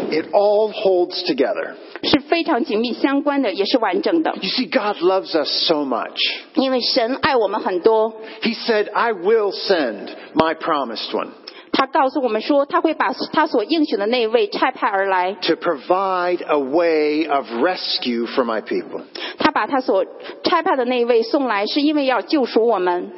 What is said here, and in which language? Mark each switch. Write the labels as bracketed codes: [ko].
[en] it all holds together. [zh] 是非常紧密相关的, 也是完整的。 [en] You see, God loves us so much. [zh] 因为神爱我们很多。 [en] He said, I will send my promised one. [zh] 他告诉我们说，他会把他所应许的那一位差派而来， [en] to provide a way of rescue for my people. [zh] 他把他所差派的那一位送来，是因为要救赎我们。